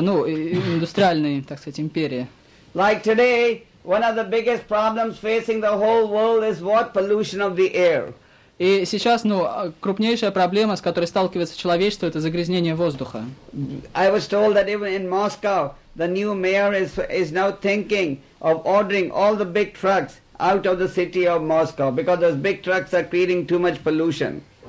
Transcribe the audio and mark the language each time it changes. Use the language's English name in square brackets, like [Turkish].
[Russian] Ну, индустриальные, так сказать, империи. [English] Like today, one of the biggest problems facing the whole world is what? Pollution of the air. [Russian] И сейчас, ну, крупнейшая проблема, с которой сталкивается человечество, это загрязнение воздуха. [English] I was told that even in Moscow, the new mayor is now thinking of ordering all the big trucks out of the city of Moscow because those big trucks are creating too much pollution.